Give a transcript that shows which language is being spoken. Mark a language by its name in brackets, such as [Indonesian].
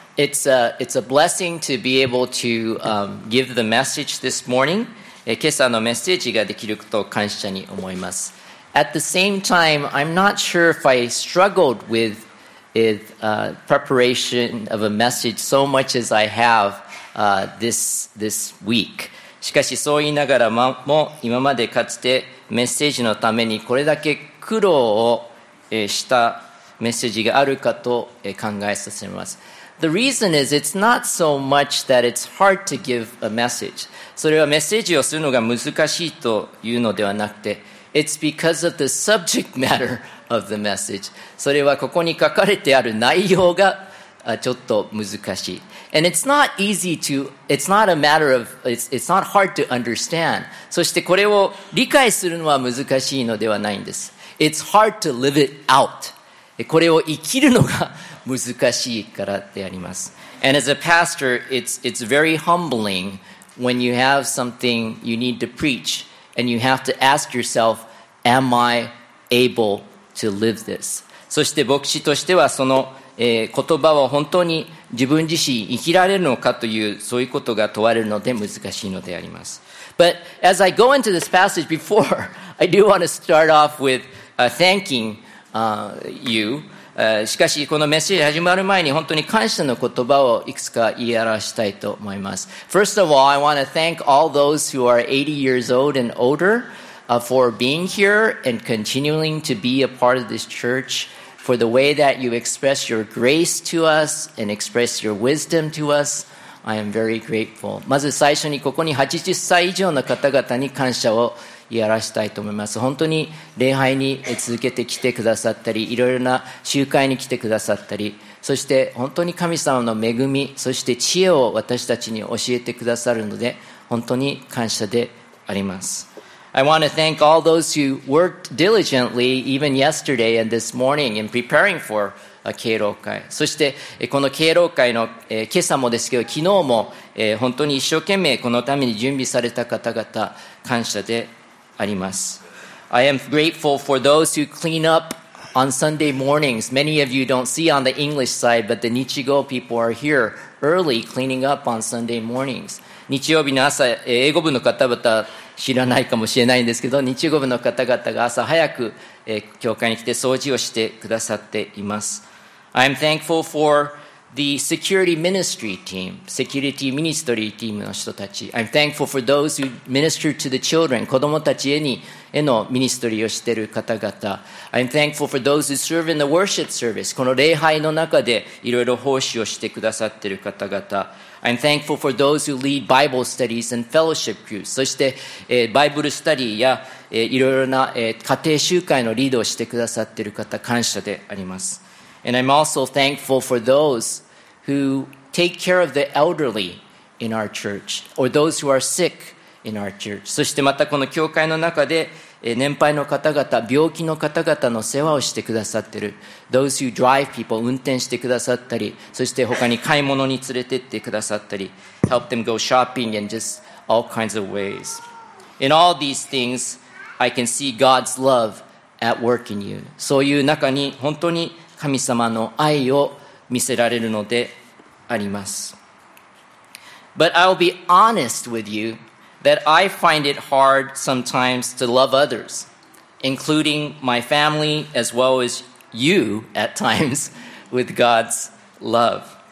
[English] It's a blessing to be able to give the message this morning. [Japanese] 今朝のメッセージができることを感謝に思います。 [English] At the same time, I'm not sure if I struggled with preparation of a message so much as I have this week. [Japanese] しかしそう言いながらも、今までかつてメッセージのためにこれだけ苦労をしたメッセージがあるかと考えさせます。 [English] The reason is it's not so much that it's hard to give a message. [Japanese] それはメッセージをするのが難しいというのではなくて、 [English] It's because of the subject matter of the message. [Japanese] それはここに書かれてある内容がちょっと難しい。 [English] And it's not easy to, it's not a matter of, it's not hard to understand. [Japanese] そしてこれを理解するのは難しいのではないんです。 [English] It's hard to live it out. [Japanese] これを生きるのが難しいからであります。 [English] And as a pastor, it's very humbling when you have something you need to preach and you have to ask yourself, am I able to live this? [Japanese] そして牧師としてはその、言葉を本当に自分自身生きられるのかというそういうことが問われるので難しいのであります。 [English] But as I go into this passage before, I do want to start off with thanking you. [Japanese] しかしこのメッセージ始まる前に本当に感謝の言葉をいくつか言い表したいと思います。 [English] First of all, I want to thank all those who are 80 years old and older for being here and continuing to be a part of this church for the way that you express your grace to us and express your wisdom to us. I am very grateful. [Japanese] まず最初にここに80歳以上の方々に感謝をいやらしたいと思います。本当に礼拝に続けてきてくださったり、いろいろな集会に来てくださったり、そして本当に神様の恵み、そして知恵を私たちに教えてくださるので、本当に感謝であります。 [English] I want to thank all those who worked diligently even yesterday and this morning in preparing for a 敬老会。 [Japanese] そしてこの敬老会の今朝もですけど、昨日も本当に一生懸命このために準備された方々、感謝で。 [English] I am grateful for those who clean up on Sunday mornings. Many of you don't see on the English side, but the Nichigo people are here early cleaning up on Sunday mornings. [Japanese] 日曜日の朝、英語部の方々知らないかもしれないんですけど、日曜部の方々が朝早く教会に来て掃除をしてくださっています。 [English] I am thankful for the security ministry team, security ministry team [Japanese] の人たち。 [English] I'm thankful for those who minister to the children, [Japanese] 子供たちへのミニストリーをしている方々。 [English] I'm thankful for those who serve in the worship service, [Japanese] この礼拝の中でいろいろ奉仕をしてくださっている方々。 [English] I'm thankful for those who lead Bible studies and fellowship groups, [Japanese] そして、バイブルスタディや、いろいろな、家庭集会のリードをしてくださっている方、感謝であります。 [English] And I'm also thankful for those who take care of the elderly in our church, or those who are sick in our church. [Japanese] そしてまたこの教会の中で年配の方々、病気の方々の世話をしてくださっている。 [English] Those who drive people, [Japanese] 運転してくださったり、そして他に買い物に連れてってくださったり、 [English] help them go shopping and just all kinds of ways. In all these things, I can see God's love at work in you. [Japanese] そういう中に本当に神様の愛を見せられるのであります。 [English] But I'll be honest with you that I find it hard sometimes to love others, including my family as well as you at times with God's love.